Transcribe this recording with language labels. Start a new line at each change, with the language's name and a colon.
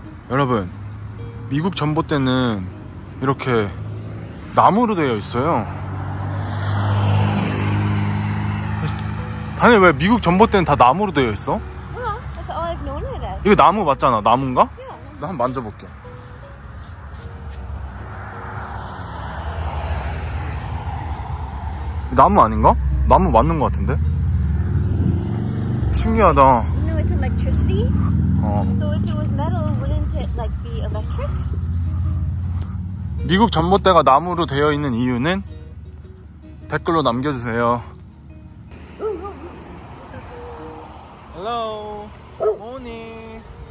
Korean: 여러분, 미국 전봇대는 이렇게 나무로 되어 있어요. 다니엘, 왜 미국 전봇대는 다 나무로 되어 있어?
English: That's all I've known it as.
Korean: 이거 나무 맞잖아. 나무인가?
English: Yeah.
Korean: 나 한번 만져볼게. 나무 아닌가? 나무 맞는 것 같은데? 신기하다.
English: You know it's electricity? So if it was metal, wouldn't it like be electric?
Korean: 미국 전봇대가 나무로 되어 있는 이유는 댓글로 남겨주세요.
English: Hello, morning.